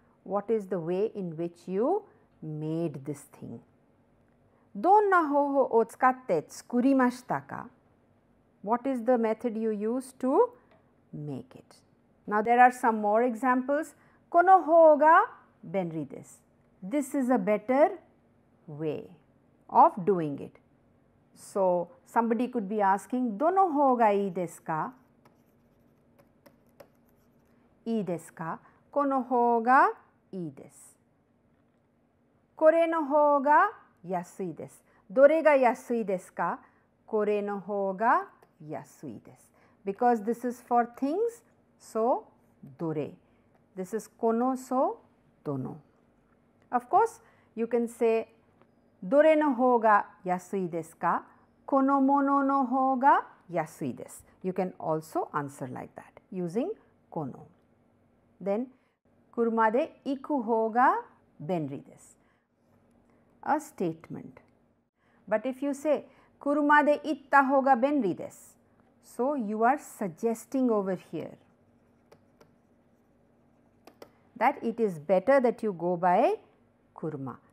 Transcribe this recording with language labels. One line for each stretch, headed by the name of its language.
English: What is the way in which you made this thing?
Japanese: どんな方法を使って作りましたか?
English: What is the method you used to make it? Now there are some more examples.
Japanese: この方が便利です。
English: This is a better way of doing it. So somebody could be asking,
Japanese: どの方がいいですか? いいですか?この方がいいです。これの方が安いです。どれが安いですか? これの方が安いです。
English: Because this is for things, so
Japanese: どれ。
English: This is
Japanese: この、
English: so
Japanese: どの。
English: Of course, you can say,
Japanese: どれの方が安いですか? このものの方が安いです。
English: You can also answer like that, using この。 Then,
Japanese: 車で行く方が便利です。
English: A statement. But if you say,
Japanese: 車で行った方が便利です。
English: So, you are suggesting over here that it is better that you go by 車.